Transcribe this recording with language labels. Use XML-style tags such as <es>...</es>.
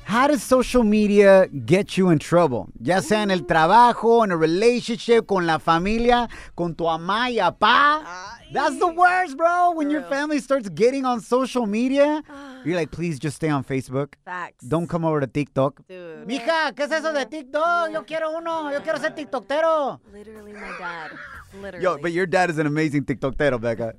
<en>How does social media get you in trouble?</en> <es>Ya sea en el trabajo,</es> <en>in a relationship,</en> <es>con la familia, con tu mamá y papá.</es> <en>That's the worst, bro. When your family starts getting on social media, you're like, please just stay on Facebook. Facts. Don't come over to TikTok. Dude.</en> <es>Mija, ¿qué es eso de TikTok? Yo quiero uno. Yo quiero ser TikTokero.</es> <en>Literally, my dad. Literally. Yo, but your dad is an amazing TikToker, Becca.</en>